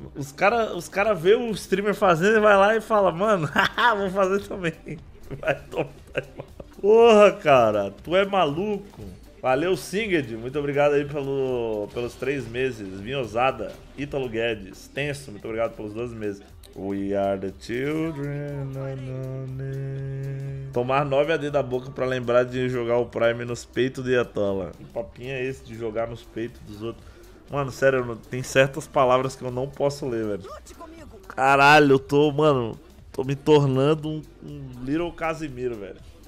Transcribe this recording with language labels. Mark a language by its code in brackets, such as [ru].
[pt] Os cara vê o streamer fazendo e vai lá e fala, mano, vou fazer também. Vai tomar. Porra, cara. Tu é maluco. Valeu, Singed. Muito obrigado aí pelos 3 meses. Vinhosada. Ítalo Guedes. Tenso. Muito obrigado pelos 12 meses. [en] We are the children of the night. [pt] Tomar 9 AD da boca pra lembrar de jogar o Prime nos peitos de Atala. Que papinho é esse de jogar nos peitos dos outros? Mano, sério, tem certas palavras que eu não posso ler, velho. Caralho, tô me tornando um Little Casimiro, velho.